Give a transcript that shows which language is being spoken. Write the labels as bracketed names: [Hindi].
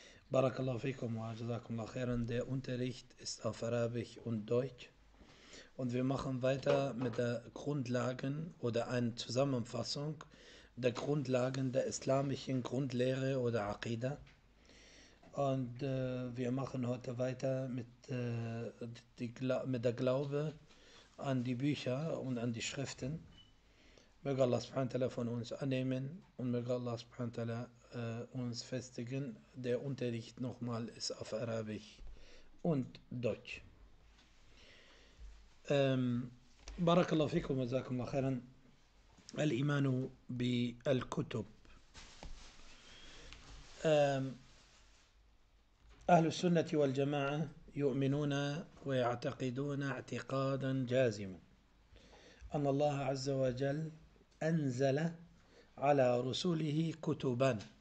[Arabic] بارك الله فيكم وجزاكم الله خيرا. [German] Der Unterricht ist auf Arabisch und Deutsch. Und wir machen weiter mit der Grundlagen oder einer Zusammenfassung der Grundlagen der islamischen Grundlehre oder Aqida. Und wir machen heute weiter mit der Glaube an die Bücher und an die Schriften. Möge Allah subhanahu wa ta'ala von uns annehmen und möge Allah subhanahu wa ta'ala uns festigen. Der Unterricht nochmal ist auf Arabisch und Deutsch. [Arabic] بارك الله فيكم وجزاكم الله خيرا. الإيمان بالكتب. أهل السنة والجماعة يؤمنون ويعتقدون اعتقادا جازما أن الله عز وجل أنزل على رسوله كتبا،